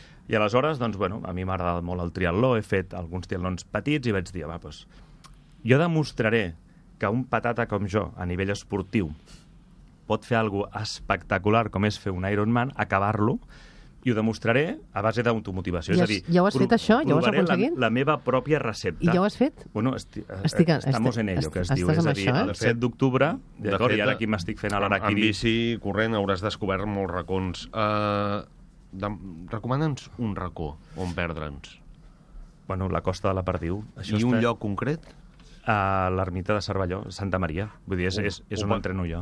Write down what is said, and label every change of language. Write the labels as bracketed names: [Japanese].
[Catalan] I aleshores, doncs, bueno, a mi m'ha agradat molt el triatló, he fet alguns triatlons petits i vaig dir, va, doncs, jo demostraré que un patata com jo, a nivell esportiu, pot fer algo espectacular com és fer un Ironman, acabar-lo, i ho demostraré a base d'automotivació. És a dir, ja ho has fet això? Ja ho has aconseguit? La meva pròpia recepta. I ja ho has fet? [Spanish] Bueno, estamos en ello, [Catalan] que es diu. Estàs amb això, eh? El 7 d'octubre, d'acord, i ara aquí m'estic fent a l'Araquiri. Amb bici, corrent, hauràs descobert molts racons. Recomana'ns un racó on perdre'ns. Bueno, la Costa de la Perdiu. I un lloc concret? A l'ermita de Cervelló, Santa Maria. Vull dir, és on entreno jo.